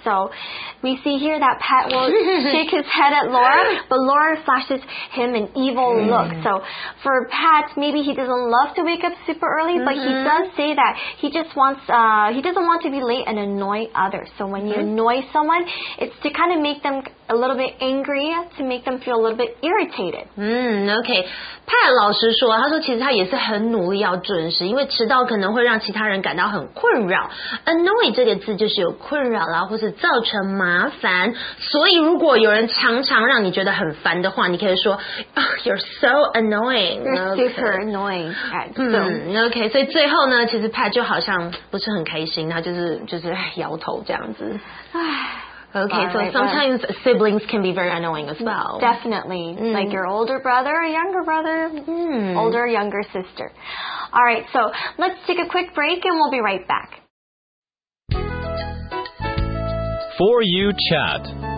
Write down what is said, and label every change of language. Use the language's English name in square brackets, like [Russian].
[English] So we see here that Pat will shake his head at Laura, but Laura flashes him an evil look. So for Pat, maybe he doesn't love to wake up super early, but he does say that he just wants, he doesn't want to be late and annoy others. So when you annoy someone, it's to kind of make them a little bit angry, to make them feel a little bit irritated. Okay. [Chinese] Pat 老师说，他说其实他也是很努力要准时，因为迟到可能会让其他人感到很困扰。 Annoy 这个字就是有困扰啦，或是造成麻烦。所以如果有人常常让你觉得很烦的话，你可以说、 [English] oh, You're so annoying. You're super annoying. Okay. [Chinese] 所以最后呢，其实 Pat 就好像不是很开心，他就是摇头这样子。 [English] Okay, so sometimes siblings can be very annoying as well. Definitely. Like your older brother, younger brother, older, younger sister. All right, so let's take a quick break and we'll be right back. For You Chat.